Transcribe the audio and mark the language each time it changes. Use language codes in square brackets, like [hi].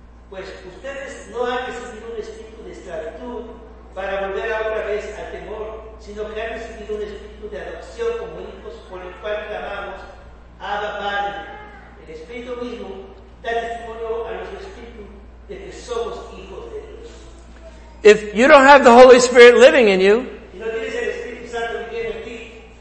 [es] Pues ustedes no han recibido un espíritu de esclavitud para volver otra vez al temor, sino que han recibido un espíritu de adopción como hijos por el cual clamamos, Abba Padre. El espíritu mismo da testimonio a nuestro espíritu de que somos hijos de Dios. [en] If you don't have the Holy Spirit living in you, [es] si no tienes el Espíritu Santo viviendo en ti,